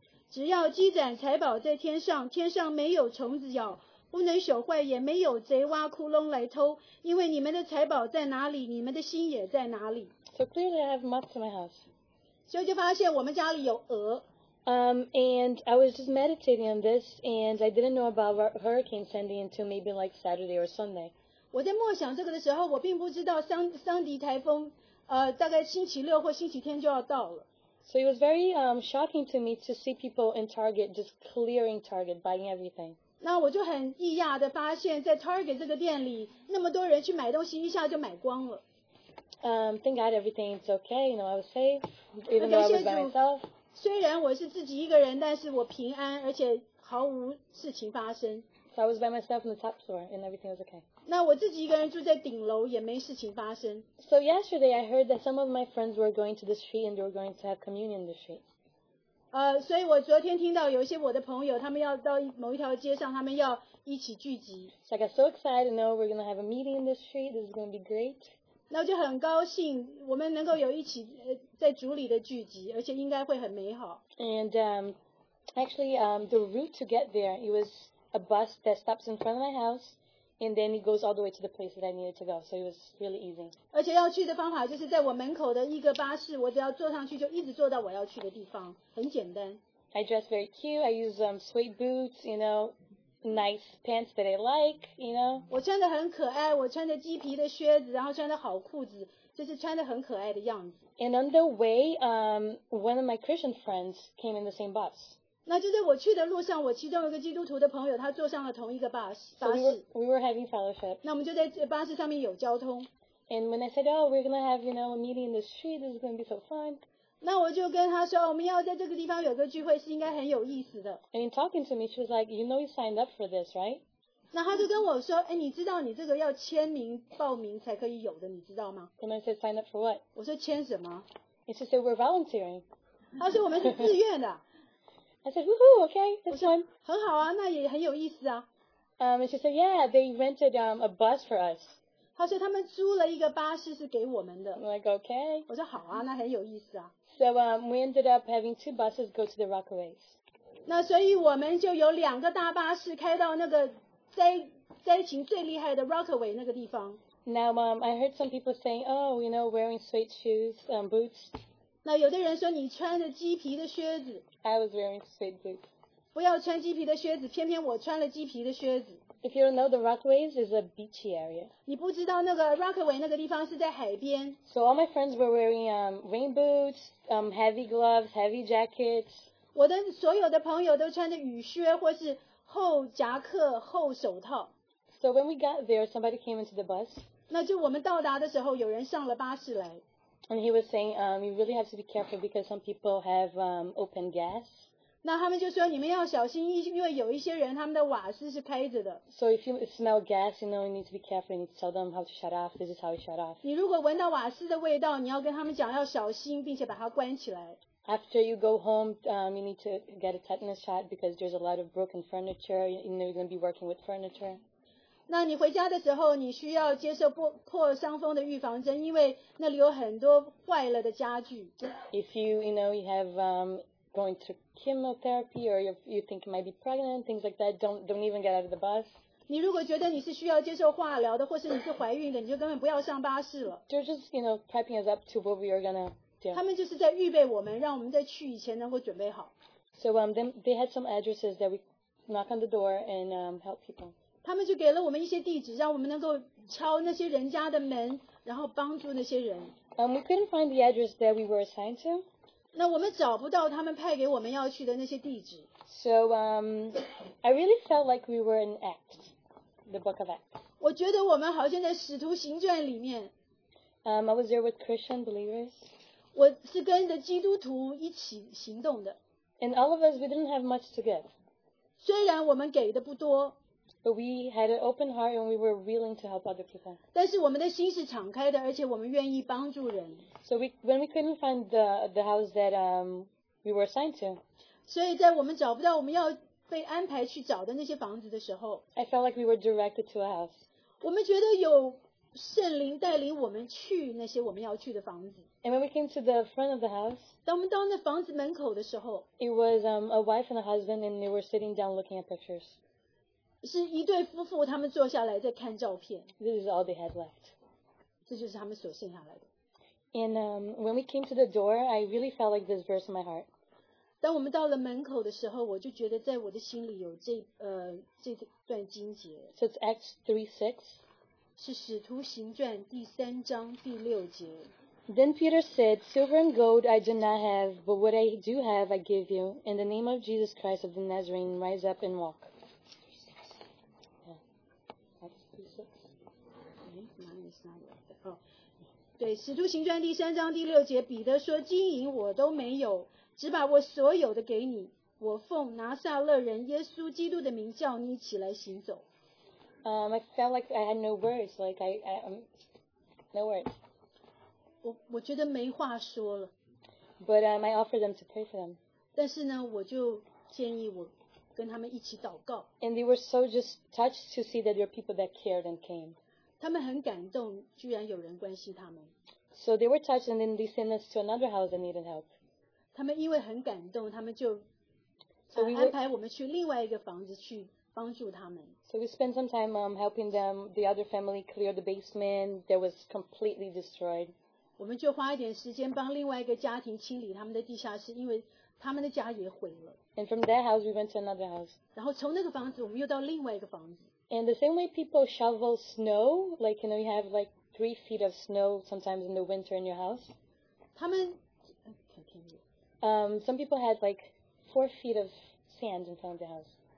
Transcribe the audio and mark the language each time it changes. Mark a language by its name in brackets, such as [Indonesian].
[Chinese] 只要积攒财宝在天上，天上没有虫子咬，不能朽坏，也没有贼挖窟窿来偷，因为你们的财宝在哪里，你们的心也在哪里。 [English] So clearly I have moths in my house. [Chinese] 所以就发现我们家里有蛾。 [English] And I was just meditating on this, and I didn't know about Hurricane Sandy until maybe like Saturday or Sunday. [Chinese] 我在默想这个的时候，我并不知道桑迪台风，大概星期六或星期天就要到了。 [English] So it was very shocking to me to see people in Target just clearing Target, buying everything. [Chinese] 那我就很意讶的发现，在 Target 这个店里，那么多人去买东西，一下就买光了。 [English] Thank God everything's okay. You know, I was safe, even though I was by myself. [Chinese] 虽然我是自己一个人，但是我平安，而且毫无事情发生。 [English] So I was by myself in the top floor, and everything was okay. [Chinese] 那我自己一个人住在顶楼，也没事情发生。 [English] So yesterday, I heard that some of my friends were going to the street, and they were going to have communion in the street. [Chinese] 所以我昨天听到有一些我的朋友，他们要到某一条街上，他们要一起聚集。 [English] So I got so excited to know we're going to have a meeting in the street. This is going to be great. [Chinese] 那就很高兴我们能够有一起在主里的聚集，而且应该会很美好。 [English] And the route to get there, it was a bus that stops in front of my house, and then it goes all the way to the place that I needed to go, so it was really easy. [Chinese] 而且要去的方法就是在我门口的一个巴士，我只要坐上去就一直坐到我要去的地方，很简单。 [English] I dress very cute, I use sweet boots, you know,nice pants that I like, you know. [Chinese] 我穿得很可爱，我穿着鸡皮的靴子，然后穿着好裤子，就是穿得很可爱的样子。 [English] And on the way, one of my Christian friends came in the same bus. [Chinese] 那就在我去的路上，我其中一个基督徒的朋友，他坐上了同一个巴士。 [English] So we were having fellowship. [Chinese] 那我们就在巴士上面有交通。 [English] And when I said, oh, we're going to have, you know, a meeting in the street, this is going to be so fun. [Chinese] 那我就跟他说，我们要在这个地方有个聚会是应该很有意思的。 [English] And in talking to me, she was like, you know you signed up for this, right? [Chinese] 那他就跟我说，哎，你知道你这个要签名报名才可以有的，你知道吗？ [English] And I said, sign up for what? [Chinese] 我说签什么？ [English] And she said, we're volunteering. [Chinese] 他说我们是自愿的。 [English] I said, woohoo, okay, that's fine. [Chinese] 很好啊，那也很有意思啊。 [English] And she said, yeah, they rented a bus for us. [Chinese] 他说他们租了一个巴士是给我们的。 [English] I'm like, okay. [Chinese] 我说好啊，那很有意思啊。 [English] So we ended up having two buses go to the Rockaways. [Chinese] 那所以我们就有两个大巴士开到那个灾情最厉害的 Rockaway 那个地方。 [English] Now I heard some people saying, oh, you know, wearing sweet shoes, boots. [Chinese] 那有的人说你穿着鸡皮的靴子。 [English] I was wearing sweet boots. [Chinese] 不要穿鸡皮的靴子，偏偏我穿了鸡皮的靴子。 [English] If you don't know, the Rockaways is a beachy area. [Chinese] 你不知道那个 Rockaway 那个地方是在海边。 [English] So all my friends were wearing rain boots, heavy gloves, heavy jackets. [Chinese] 我的所有的朋友都穿着雨靴或是厚夹克、厚手套。 [English] So when we got there, somebody came into the bus. [Chinese] 那就我们到达的时候，有人上了巴士来。 [English] And he was saying, you really have to be careful because some people have open gas. [Chinese] 那他们就说你们要小心，因为有一些人他们的瓦斯是开着的。 [English] So if you smell gas, you know you need to be careful. You need to tell them how to shut off. This is how you shut off. [Chinese] 你如果闻到瓦斯的味道，你要跟他们讲要小心，并且把它关起来。 [English] After you go home, you need to get a tetanus shot because there's a lot of broken furniture. You know you're going to be working with furniture. [Chinese] 那你回家的时候，你需要接受破伤风的预防针，因为那里有很多坏了的家具。 [English] If you have going to chemotherapy or you think you might be pregnant, things like that, don't even get out of the bus. [Chinese] 你如果觉得你是需要接受化疗的或是你是怀孕的，你就根本不要上巴士了。 [English] They're just, you know, prepping us up to what we are gonna do. [Chinese] 他们就是在预备我们，让我们在去以前能够准备好。 [English] So they had some addresses that we knock on the door and help people. [Chinese] 他们就给了我们一些地址，让我们能够敲那些人家的门，然后帮助那些人。 [English] We couldn't find the address that we were assigned to. [Chinese] 那我们找不到他们派给我们要去的那些地址。 [English] So, I really felt like we were in Acts, the book of Acts. [Chinese] 我觉得我们好像在《使徒行传》里面。 [English] I was there with Christian believers. [Chinese] 我是跟着基督徒一起行动的。 [English] And all of us, we didn't have much to give. [Chinese] 虽然我们给的不多。 [English] But we had an open heart and we were willing to help other people. [Chinese] 但是我们的心是敞开的，而且我们愿意帮助人。 [English] So when we couldn't find the house that we were assigned to. [Chinese] 所以在我们找不到我们要被安排去找的那些房子的时候 [English] I felt like we were directed to a house. [Chinese] 我们觉得有圣灵带领我们去那些我们要去的房子 [English] And when we came to the front of the house, [Chinese] 当我们到那房子门口的时候 [English] It was a wife and a husband and they were sitting down looking at pictures. [Chinese] 是一对夫妇他们坐下来在看照片 [English] This is all they had left. [Chinese] 这就是他们所剩下来的 [English] And when we came to the door, I really felt like this verse in my heart. [Chinese] 当我们到了门口的时候，我就觉得在我的心里有这段经节。 [English] So it's Acts 3:6. [Chinese] 是使徒行传第三章第六节。 [English] Then Peter said, "Silver and gold I do not have, but what I do have I give you. In the name of Jesus Christ of the Nazarene, rise up and walk." Acts 3:6. Okay, mine is not there. [Chinese] 对，使徒行传第三章第六节，彼得说：“金银我都没有。” 只把我所有的给你，我奉拿撒勒人耶稣基督的名叫你起来行走。 [English] I felt like I had no words, like I'm no words. [Chinese] 我觉得没话说了。 [English] But I offered them to pray for them. [Chinese] 但是呢，我就建议我跟他们一起祷告。 [English] And they were so just touched to see that there are people that cared and came. [Chinese] 他们很感动，居然有人关心他们。 [English] So they were touched, and then they sent us to another house that needed help. [Chinese] 他们因为很感动，他们就安排我们去另外一个房子去帮助他们。 [English] So we spent some time helping them. The other family cleared the basement that was completely destroyed. [Chinese] 我们就花一点时间帮另外一个家庭清理他们的地下室，因为他们的家也毁了。 [English] And from that house, we went to another house. [Chinese] 然后从那个房子，我们又到另外一个房子。 [English] And the same way people shovel snow, like you know, you have like 3 feet of snow sometimes in the winter in your house. [Chinese] 他们。 [English] Some people had like 4 feet of sand in front of the house.